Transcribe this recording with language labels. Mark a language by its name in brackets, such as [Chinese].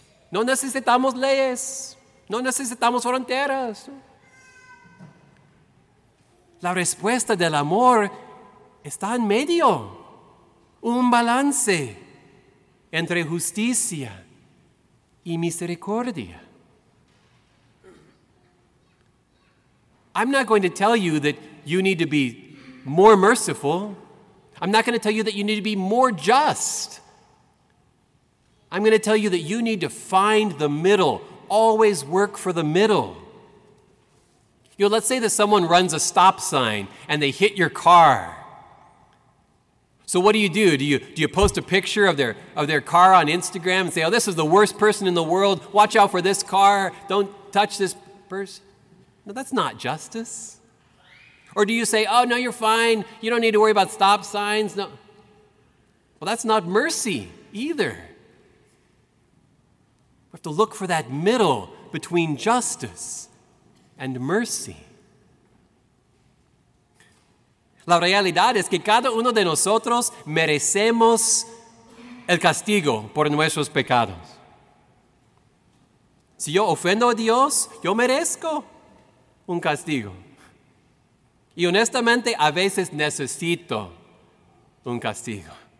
[Spanish] No necesitamos leyes, no necesitamos fronteras. La respuesta del amor está en medio, un balance entre justicia y misericordia. [English] I'm not going to tell you that you need to be more merciful. I'm not going to tell you that you need to be more just. I'm going to tell you that you need to find the middle. Always work for the middle. You know, let's say that someone runs a stop sign and they hit your car. So what do? Do you post a picture of their car on Instagram and say, oh, this is the worst person in the world. Watch out for this car. Don't touch this person. No, that's not justice. Or do you say, oh, no, you're fine. You don't need to worry about stop signs. No. Well, that's not mercy either. We have to look for that middle between justice and mercy. [Spanish] La realidad es que cada uno de nosotros merecemos el castigo por nuestros pecados. Si yo ofendo a Dios, yo merezco un castigo. Y honestamente, a veces necesito un castigo.